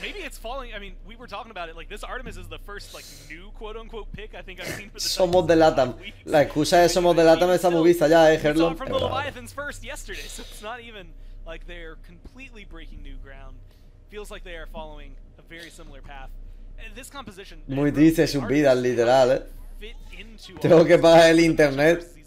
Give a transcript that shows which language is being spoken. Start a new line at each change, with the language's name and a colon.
English: Maybe it's falling. I mean, we were talking about it. Like, this Artemis is the first, like, new quote unquote pick I think I've seen for the
Spanish: Somos de Latam. La excusa de Somos de Latam está muy vista ya, Gerlo.
English: From the Leviathans first yesterday, so it's not even like they're completely breaking new ground. Feels like they are following a very similar path. And this composition.
Spanish: Muy triste su vida, literal, Tengo que pagar el internet.